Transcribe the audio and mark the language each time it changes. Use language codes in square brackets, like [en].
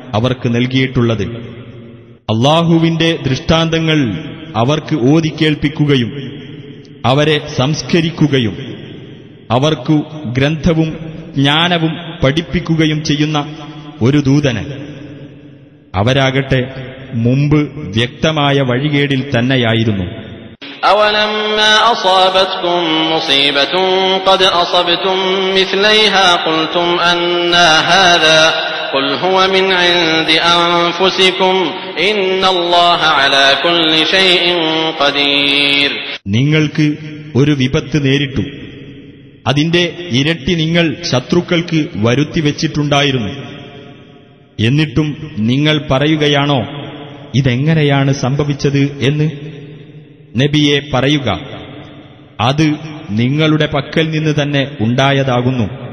[ml] അവർക്ക് നൽകിയിട്ടുള്ളത്. അള്ളാഹുവിന്റെ ദൃഷ്ടാന്തങ്ങൾ അവർക്ക് ഓതിക്കേൾപ്പിക്കുകയും അവരെ സംസ്കരിക്കുകയും അവർക്കു ഗ്രന്ഥവും ജ്ഞാനവും പഠിപ്പിക്കുകയും ചെയ്യുന്ന ഒരു ദൂതന്. അവരാകട്ടെ മുമ്പ് വ്യക്തമായ വഴികേടിൽ തന്നെയായിരുന്നു. [ar] أولما أصابتكم مصيبة قد أصبتم مثليها قلتم أنى هذا قل هو من عند أنفسكم إن الله على كل شيء قدير. [ml] നിങ്ങൾക്ക് ഒരു വിപത്ത് നേരിട്ടു, അതിന്റെ ഇരട്ടി നിങ്ങൾ ശത്രുക്കൾക്ക് വരുത്തി വെച്ചിട്ടുണ്ടായിരുന്നു. എന്നിട്ടും നിങ്ങൾ പറയുകയാണോ ഇതെങ്ങനെയാണ് സംഭവിച്ചത് എന്ന്? നബിയെ പറയുക, അത് നിങ്ങളുടെ പക്കൽ നിന്ന് തന്നെ ഉണ്ടായതാകുന്നു.